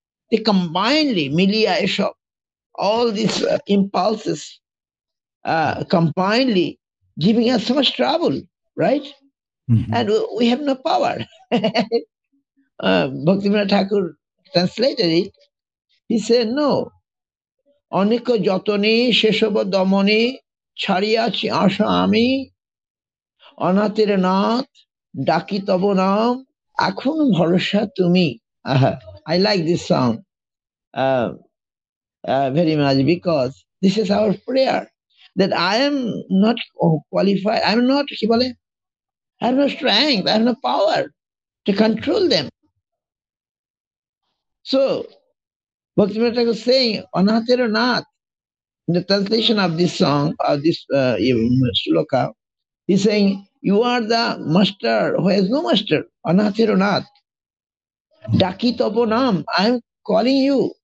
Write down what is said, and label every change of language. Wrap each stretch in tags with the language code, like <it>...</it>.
<en>They combinedly, milia eshob, all these impulses combinedly giving us so much trouble, right? And we have no power. Bhaktivinoda Thakur translated it. He said, no.</en> <bn>অনেক যতনে শেষব দমনে ছাড়িয়াছি আশা আমি অনাথের নাথ ডাকি তব নাম এখন ভরসা তুমি।</bn> <en>I like this song very much because this is our prayer that I am not qualified, I am not কি বলে I have no strength, I have no power to control them. So Bhaktivinoda Thakur is saying, Anahatera Nath, in the translation of this song, of this shloka, he's saying, you are the master who has no master, Anahatera Nath. Daki tapo nam, I am calling you.</en>